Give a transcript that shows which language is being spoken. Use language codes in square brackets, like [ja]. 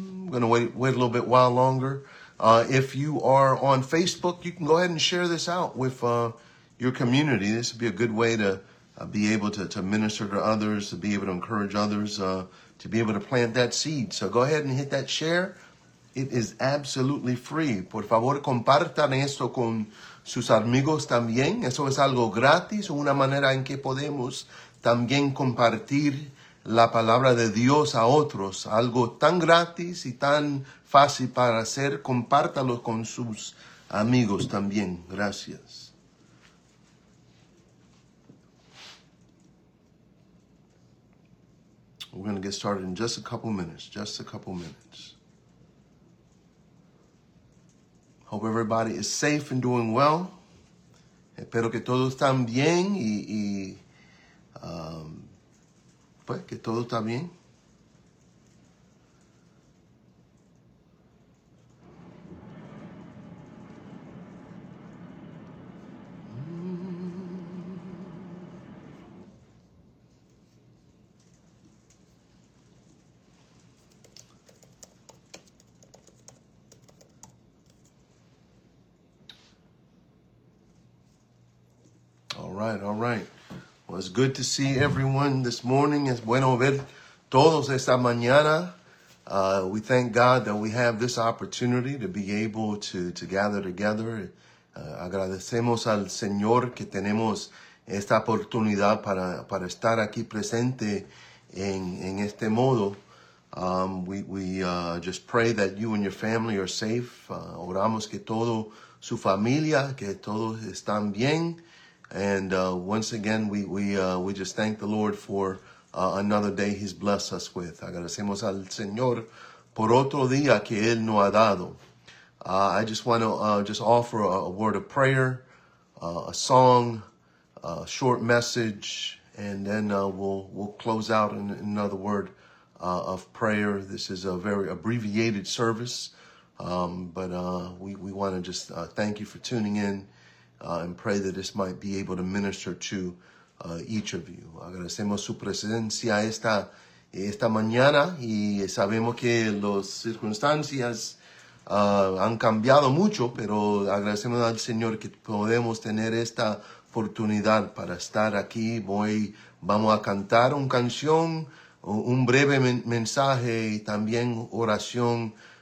[en] Gonna wait a little bit while longer. If you are on Facebook, you can go ahead and share this out with your community. This would be a good way to be able to minister to others, to be able to encourage others, to be able to plant that seed. So go ahead and hit that share. It is absolutely free. [es] Por favor, compartan esto con sus amigos también. Eso es algo gratis, una manera en que podemos también compartir la palabra de Dios a otros, algo tan gratis y tan fácil para hacer, compártalo con sus amigos también. Gracias. [en] We're going to get started in just a couple minutes, just a couple minutes. Hope everybody is safe and doing well. [es] Espero que todos están bien y que todo está bien. [en] All right, all right. Well, it's good to see everyone this morning. [es] Es bueno ver todos esta mañana. [en] We thank God that we have this opportunity to be able to gather together. [es] Agradecemos al Señor que tenemos esta oportunidad para estar aquí presente en este modo. [en] We just pray that you and your family are safe. [es] Oramos que todo su familia, que todos están bien. [en] And once again, we just thank the Lord for another day He's blessed us with. [es] Agradecemos al Señor por otro día que Él nos ha dado. [en] I just want to just offer a word of prayer, a song, a short message, and then we'll close out in another word of prayer. This is a very abbreviated service, but we want to just thank you for tuning in. And pray that this might be able to minister to each of you. [es] Agradecemos su presencia esta mañana y sabemos que las circunstancias han cambiado mucho, pero agradecemos al Señor que podemos tener esta oportunidad para estar aquí. Vamos a cantar una canción, un breve mensaje y también oración